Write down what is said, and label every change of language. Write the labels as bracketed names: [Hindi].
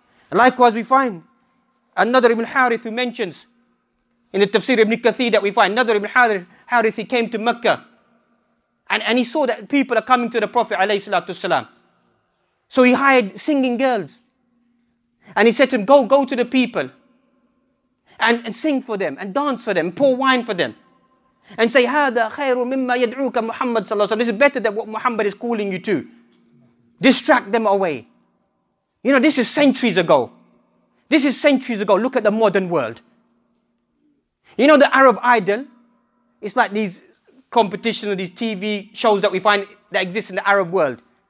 [English] And likewise, we find another Ibn Harith who mentions in the Tafsir Ibn Kathir that we find another Ibn Harith, he came to Mecca and he saw that people are coming to the Prophet alayhi salatu wasalam. So he hired singing girls and he said to them, go to the people and sing for them and dance for them, pour wine for them. And say, [Arabic] هذا خير مما يدعوك محمد صلى الله عليه وسلم. [English] This is better than what Muhammad is calling you to. Distract them away. You know, this is centuries ago. This is centuries ago. Look at the modern world. You know, the Arab Idol? It's like these competitions or these TV shows that we find that exist in the Arab world.